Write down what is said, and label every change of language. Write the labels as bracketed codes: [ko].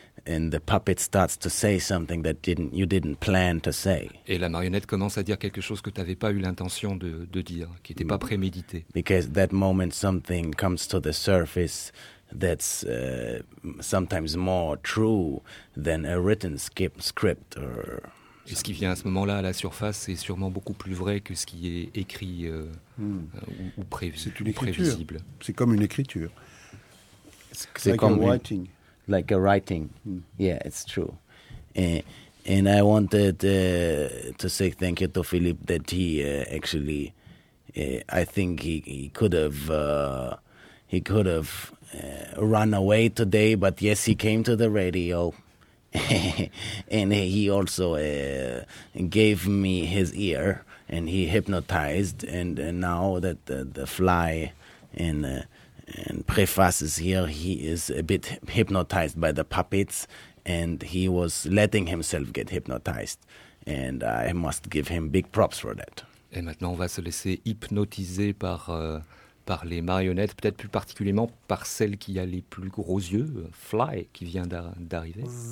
[en] And the puppet starts to say something that you didn't plan to say. [fr] Et la marionnette commence à dire quelque chose que tu n'avais pas eu l'intention de dire, qui n'était pas prémédité. [en] Because that moment something comes to the surface that's sometimes more true than a written script or. [fr] Et ce qui vient à ce moment-là à la surface est sûrement beaucoup plus vrai que ce qui est écrit ou prévu. C'est une écriture. Prévisible. C'est comme une écriture. C'est [en] like [fr] comme [en] a writing. Like a writing, yeah, it's true, and I wanted to say thank you to Philippe that he actually, I think he could have run away today, but yes, he came to the radio, and he also gave me his ear, and he hypnotized, and now that the fly and. And Préface is here, he is a bit hypnotized by the puppets, and he was letting himself get hypnotized. And I must give him big props for that. [fr] Et maintenant, on va se laisser hypnotiser par les marionnettes, peut-être plus particulièrement par celle qui a les plus gros yeux, Fly, qui vient d'arriver.